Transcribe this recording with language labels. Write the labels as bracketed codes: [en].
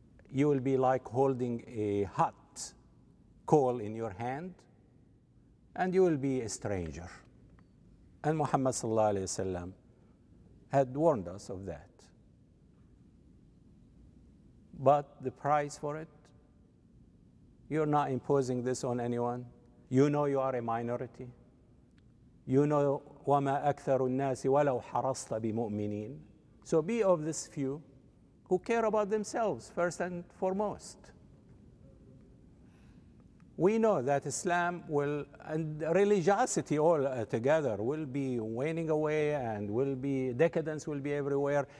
[en] You will be like holding a hot coal in your hand, and you will be a stranger. And Muhammad sallallahu alayhi wa sallam had warned us of that. But the price for it, You're not imposing this on anyone. You know you are a minority. You know, [ar] وَمَا أَكْثَرُ النَّاسِ وَلَوْ حَرَصْتَ بِمُؤْمِنِينَ. [en] So be of this few who care about themselves first and foremost. We know that Islam will, and religiosity all together, will be waning away, and will be, decadence will be everywhere.